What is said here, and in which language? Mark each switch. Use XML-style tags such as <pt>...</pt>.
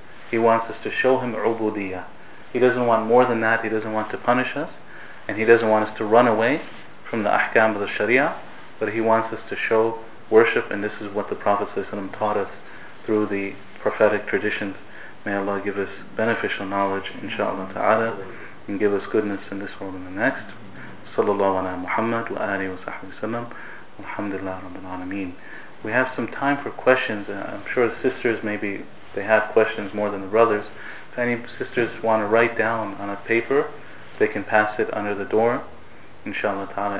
<en>He wants us to show Him ubudiyah. He doesn't want more than that. He doesn't want to punish us, and He doesn't want us to run away from the ahkam of the Sharia, but He wants us to show worship, and this is what the Prophet ﷺ taught us through the prophetic traditions. May Allah give us beneficial knowledge, inshaAllah ta'ala, and give us goodness in this world and the next.</en> <ar>صلى الله على محمد وآله وصحبه وسلم والحمد لله رب العالمين.</ar> <en>We have some time for questions. I'm sure the sisters, maybe they have questions more than the brothers. If any sisters want to write down on a paper, they can pass it under the door, inshallah ta'ala.</en>